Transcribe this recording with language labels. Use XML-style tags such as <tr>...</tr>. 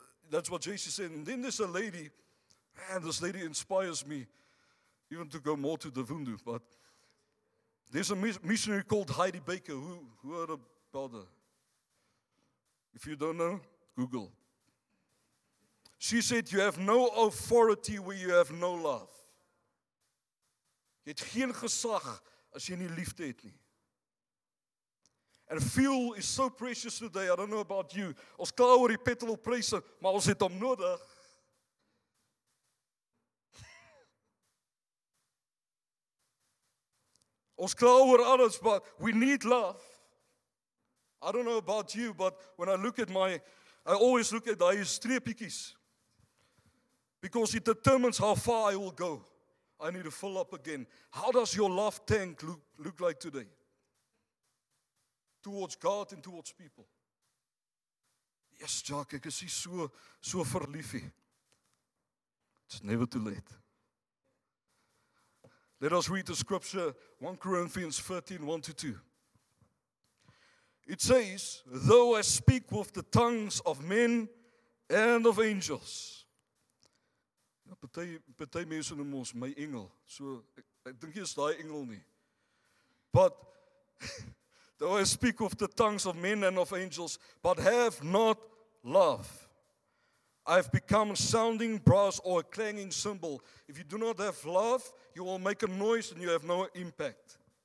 <en>That's what JC said. And then there's a lady. Man, this lady inspires me even to go more to the Vundu. But there's a missionary called Heidi Baker. Who heard about her? If you don't know, Google. She said, you have no authority where you have no love.</en> <af>Jy het geen gesag as jy nie liefde het nie.</af> <en>And fuel is so precious today. I don't know about you.</en> <af>Ons klaar oor die petrol pryse, maar ons het hom nodig. Ons klaar oor alles,</af> <en>but we need love. I don't know about you, but when I look at I always look at my streepiekies. Because it determines how far I will go. I need to fill up again. How does your love tank look like today? Towards God and towards people. Yes, Jack,</en> <af>ek is hier so verliefie.</af> <en>It's never too late. Let us read the scripture, 1 Corinthians 13, 1-2. It says, though I speak with the tongues of men and of angels.</en> <af>Party mense noem ons my engel. So, ek dink jy is die engel nie.</af> <en>But, though I speak with the tongues of men and of angels, but have not love, I have become a sounding brass or a clanging cymbal. If you do not have love, you will make a noise and you have no impact.</en>